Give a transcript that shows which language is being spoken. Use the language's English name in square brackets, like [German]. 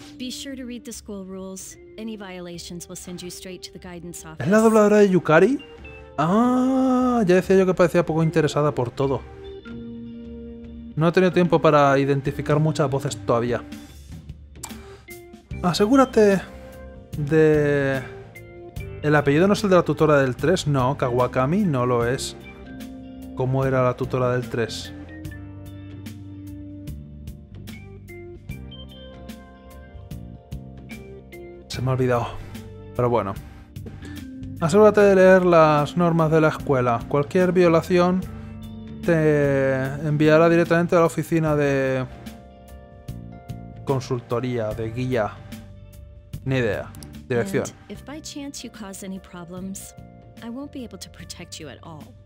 [English] Be sure to read the school rules. Any violations will send you straight to the guidance office. [Spanish] ¿Es la dobladora de Yukari? Ah, ya decía yo que parecía poco interesada por todo. No he tenido tiempo para identificar muchas voces todavía. Asegúrate de... ¿El apellido no es el de la tutora del 3? No, Kawakami no lo es. ¿Cómo era la tutora del 3? Se me ha olvidado. Pero bueno. Asegúrate de leer las normas de la escuela. Cualquier violación te enviará directamente a la oficina de consultoría, de guía. Ni idea. Dirección. [English] And if by chance you cause any problems, I won't be able to protect you at all.